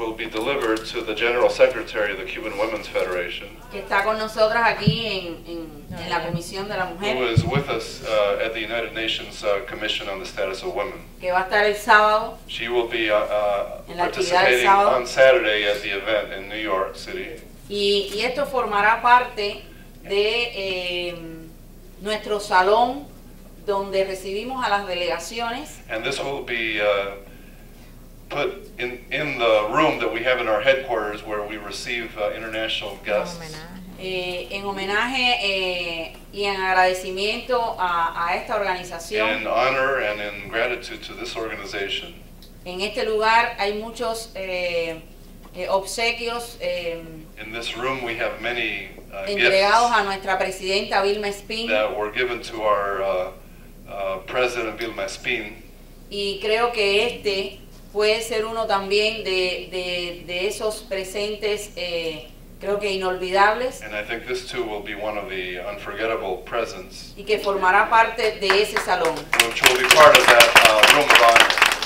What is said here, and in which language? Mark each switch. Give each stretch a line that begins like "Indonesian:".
English: will be delivered to the General Secretary of the Cuban Women's Federation,
Spanish: que está con nosotras aquí en la Comisión de la Mujer,
English: who is with us at the United Nations Commission on the Status of Women,
Spanish: que va a estar el sábado.
English: She will be participating on Saturday at the event in New York City.
Spanish: Y esto formará parte de nuestro salón donde recibimos a las delegaciones.
English: And this will be put in the room that we have in our headquarters where we receive international guests.
Spanish: En homenaje y en agradecimiento a esta organización.
English: In honor and in gratitude to this organization.
Spanish: En este lugar hay muchos obsequios.
English: In this room we have many
Spanish: entregados a nuestra presidenta Vilma Espín.
English: That were given to our president Vilma Espín.
Spanish: Y creo que este puede ser uno también de esos presentes, creo que inolvidables.
English: And I think this too will be one of the unforgettable presents.
Spanish: Y que formará parte de ese salón.
English: Which will be part of that room of honor.